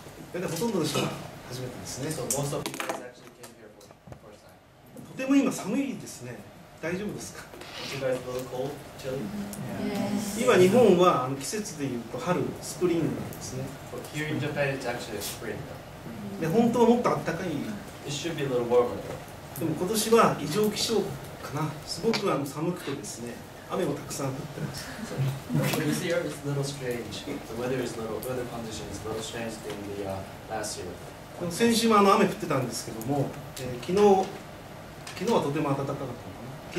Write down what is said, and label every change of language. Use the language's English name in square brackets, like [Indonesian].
[Japanese] ほとんどの人は初めてですね。 [English] So most of you guys actually came here for the first time. [Japanese] とても今寒いですね。大丈夫ですか？ [English] Don't you guys feel cold, chilly? Yes. [Japanese] 今日本は季節でいうと春、スプリングなんですね。 [English] But here in Japan, it's actually spring. [Japanese] で、本当はもっと暖かい。 [English] It should be a little warmer. [Japanese] でも今年は異常気象かな。すごく寒くてですね、雨もたくさん降ってます。 [English] So, this year is a little strange. The weather is a little, weather condition is a little strange than the last year. [Japanese] 先週も雨降ってたんですけども、昨日はとても暖かかった。